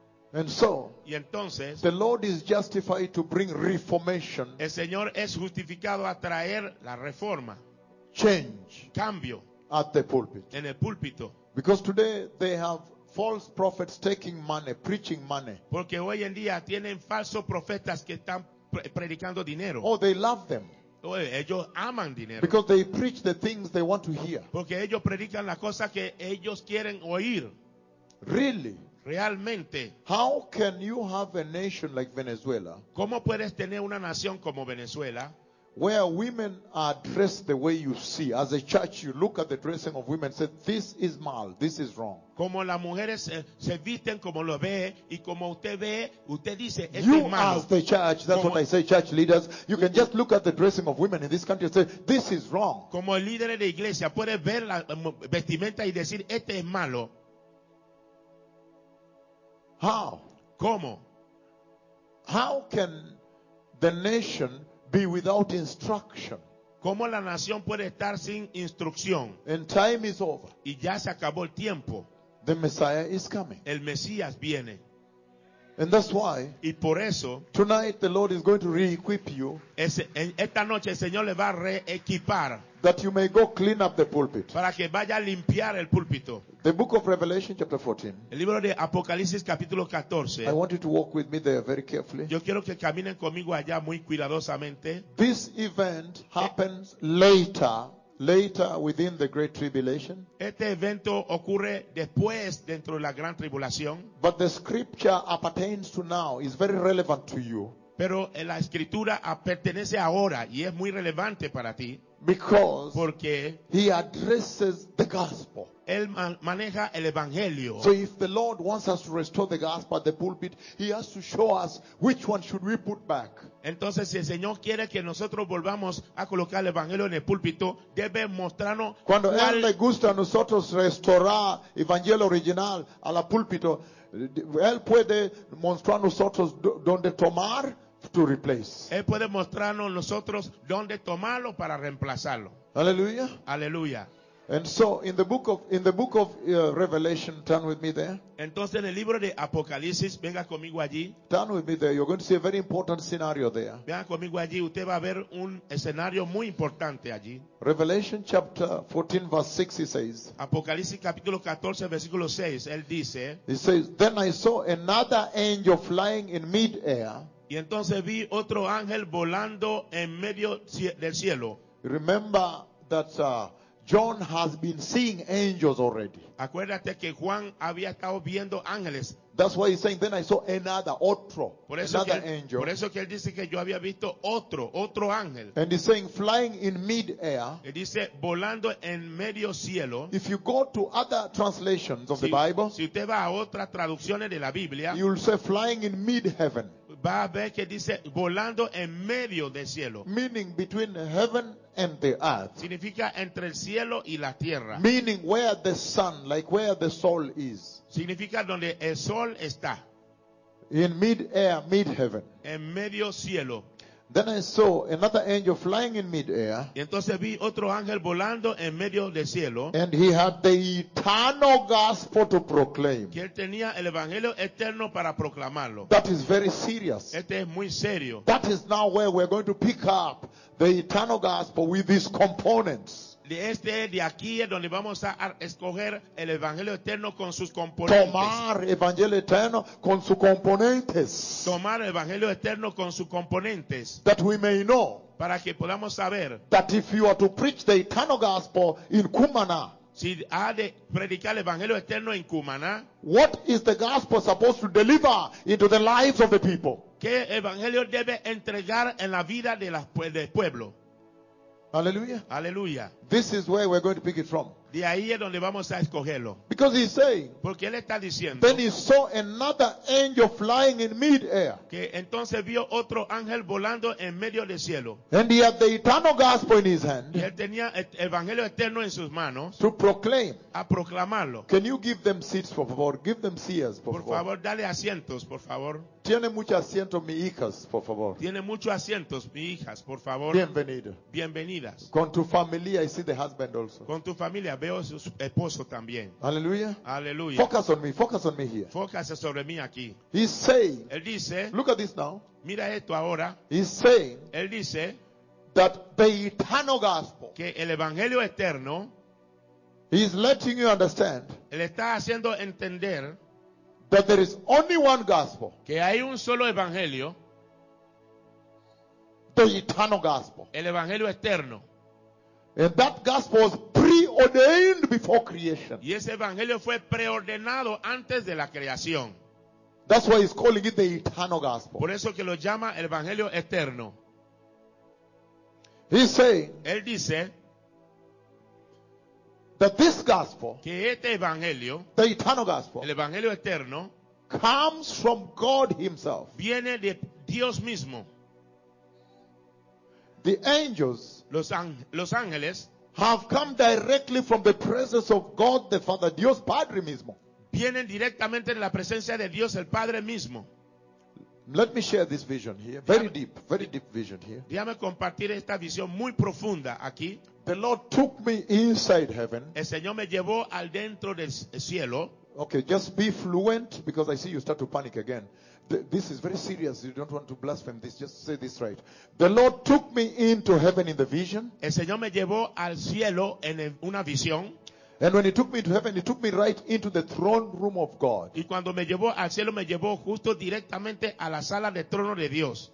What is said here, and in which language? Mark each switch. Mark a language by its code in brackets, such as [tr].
[en] And so, [es] y entonces, [en] the Lord is justified to bring reformation. [es] El Señor es justificado a traer la reforma. [en] Change. [es] Cambio. [en] At the pulpit. [es] En el púlpito. [en] Because today they have false prophets taking money, preaching money. [es] Porque hoy en día tienen falsos profetas que están predicando dinero. [en] Oh, they love them. [es] Ellos aman dinero. [en] Because they preach the things they want to hear. [es] Porque ellos predican las cosas que ellos quieren oír. [en] Really? [es] Realmente, [en] how can you have a nation like Venezuela? [es] ¿Cómo puedes tener una nación como Venezuela? [en] Where women are dressed the way you see. As a church, you look at the dressing of women and say, this is mal, this is wrong. [es] Como las mujeres se visten como lo ve, y como usted ve, usted dice, es [en] you [es] malo. [en] As the church, that's como, what I say, church leaders, you can just look at the dressing of women in this country and say, this is wrong. [es] Como líderes de iglesia, puede ver la vestimenta y decir, este es malo. [en] How? [es] ¿Cómo? [en] How can the nation be without instruction? [es] ¿Cómo la nación puede estar sin instrucción? [en] And time is over. [es] Y ya se acabó el tiempo. [en] The Messiah is coming. [es] El Mesías viene. [en] And that's why, [es] y por eso, [en] tonight the Lord is going to re-equip you. [es] Esta noche el Señor le va a re-equipar. [en] That you may go clean up the pulpit. [es] Para que vaya a limpiar el púlpito. [en] The book of Revelation chapter 14. [es] El libro de Apocalipsis capítulo 14. [en] I want you to walk with me there very carefully. [es] Yo quiero que caminen conmigo allá muy cuidadosamente. [en] This event happens later within the great tribulation. [es] Este evento ocurre después dentro de la gran tribulación. [en] But the scripture appertains to now, is very relevant to you. [es] Pero la escritura pertenece ahora y es muy relevante para ti. [en] Because [es] porque [en] he addresses the gospel. [es] Él maneja el evangelio. [en] So if the Lord wants us to restore the gospel at the pulpit, he has to show us which one should we put back. [es] Entonces, si el Señor quiere que nosotros volvamos a colocar el evangelio en el púlpito, debe mostrarnos. Cuando él le gusta a nosotros restaurar el evangelio original al púlpito, él puede mostrar a nosotros dónde tomar. [en] To replace. [es] Él puede mostrarnos nosotros dónde tomarlo para reemplazarlo. Aleluya. Aleluya. [en] And so in the book of Revelation, turn with me there. [es] Entonces en el libro de Apocalipsis, venga conmigo allí. [en] Turn with me there. You're going to see a very important scenario there. [es] Venga conmigo allí. Usted va a ver un escenario muy importante allí. [en] Revelation chapter 14 verse 6, he says. [es] Apocalipsis capítulo 14 versículo 6, él dice. [en] He says, then I saw another angel flying in mid air. [es] Y entonces vi otro ángel volando en medio del cielo. [en] Remember that John has been seeing angels already. [es] Acuérdate que Juan había estado viendo ángeles. [en] That's why he's saying, then I saw another angel. [es] Por eso que él dice que yo había visto otro ángel. [en] And he's saying, flying in mid-air. [es] Él dice, volando en medio cielo. [en] If you go to other translations of the Bible, [es] si usted va a otras traducciones de la Biblia, [en] you'll say, flying in mid-heaven. [es] Va a ver que dice, volando en medio del cielo. [en] Meaning, between heaven and the earth. [es] Significa entre el cielo y la tierra. [en] Meaning, where the sun, like where the soul is. [es] Significa donde el sol está. [en] In mid air, mid heaven. [es] En medio cielo. [en] Then I saw another angel flying in mid air. [es] Y entonces vi otro ángel volando en medio del cielo. [en] And he had the eternal gospel to proclaim. [es] Que él tenía el evangelio eterno para proclamarlo. [en] That is very serious. [es] Este es muy serio. [en] That is now where we're going to pick up the eternal gospel with these components. [es] De aquí es donde vamos a escoger el evangelio eterno con sus componentes. Tomar evangelio eterno con sus componentes. Tomar evangelio eterno con sus componentes. [en] That we may know. [es] Para que podamos saber. [en] That if you are to preach the eternal gospel in Cumaná. [es] Si ha de predicar el evangelio eterno en Cumaná. [en] What is the gospel supposed to deliver into the lives of the people? [es] ¿Qué evangelio debe entregar en la vida del pueblo? [en] Hallelujah. Hallelujah. This is where we're going to pick it from. [es] De ahí es donde vamos a escogerlo. [en] Because he's saying. [es] Porque él está diciendo. [en] Then he saw another angel flying in mid-air. [es] Que entonces vio otro ángel volando en medio del cielo. [en] And he had the eternal gospel in his hand. [es] Y él tenía el evangelio eterno en sus manos. [en] To proclaim. [es] A proclamarlo. [en] Can you give them seats, por favor? Give them seats, por favor. [es] Por favor, dale asientos, por favor. Tiene mucho asiento, mi hijas, por favor. Tiene mucho asientos, mi hijas, por favor. Bienvenido. Bienvenidas. Con tu familia, [en] I see the husband also. [es] Con tu familia, veo su esposo también. Aleluya. Aleluya. [en] Focus on me here. [es] Fócase sobre mí aquí. [en] He's saying. [es] Él dice. [en] Look at this now. [es] Mira esto ahora. [en] He's saying. [es] Él dice. [en] That the eternal gospel. [es] Que el evangelio eterno. [en] He's letting you understand. [es] Le está haciendo entender. [en] That there is only one gospel. [es] Que hay un solo evangelio. [en] The eternal gospel. [es] El evangelio eterno. [en] And that gospel was preordained before creation. [es] Y ese evangelio fue preordenado antes de la creación. [en] That's why he's calling it the eternal gospel. [es] Por eso que lo llama el evangelio eterno. [en] He's saying. [es] Él dice. [en] That this gospel, [es] que este evangelio, [en] the eternal gospel, [es] el evangelio eterno, [en] comes from God himself. [es] Viene de Dios mismo. [en] The angels, [es] los ángeles, [en] have come directly from the presence of God the Father, [es] Dios Padre mismo. Vienen directamente de la presencia de Dios el Padre mismo. [en] Let me share this vision here. Very deep vision here. [es] Déjame compartir esta visión muy profunda aquí. [en] The Lord took me inside heaven. [es] El Señor me llevó al dentro del cielo. [en] Okay, just be fluent because I see you start to panic again. This is very serious. You don't want to blaspheme this. Just say this right. The Lord took me into heaven in the vision. [es] El Señor me llevó al cielo en una visión. [en] And when he took me to heaven, he took me right into the throne room of God. [es] Y cuando me llevó al cielo, me llevó justo directamente a la sala de trono de Dios.